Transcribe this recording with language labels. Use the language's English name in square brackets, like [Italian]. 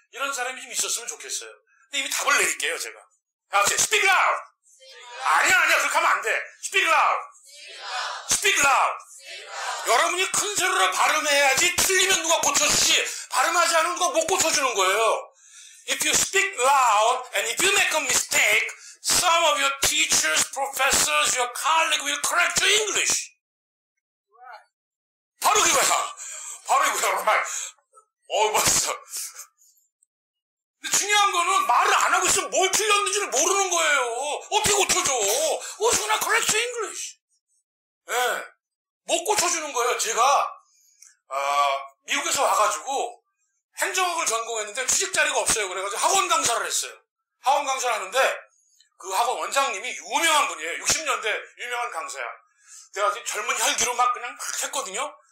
[Korean] 이런 사람이 좀 있었으면 좋겠어요. 근데 이미 답을 내릴게요 제가. 다 같이 [English] 스피크 라우드. [Korean] 아니야 그렇게 하면 안 돼. [English] 스피크 라우드. 스피크 라우드. [Korean] 여러분이 큰 소리로 발음해야지 틀리면 누가 고쳐주지 발음하지 않으면 누가 못 고쳐주는 거예요. [English] If you speak loud and if you make a mistake Some of your teachers, professors, your colleagues will correct your English. Right. [Korean] 바로 그거야. 바로 이거야, right. 어, 맞어. 근데 중요한 거는 말을 안 하고 있으면 뭘 틀렸는지를 모르는 거예요. 어떻게 고쳐줘? [English] What's gonna correct your English? [Korean] 예. 네. 못 고쳐주는 거예요. 제가, 미국에서 와가지고 행정학을 전공했는데 취직자리가 없어요. 그래가지고 학원 강사를 했어요. 학원 강사를 하는데 그 학원 원장님이 유명한 분이에요. 60년대 유명한 강사야. 내가 이제 젊은 혈기로 막 그냥 막 했거든요.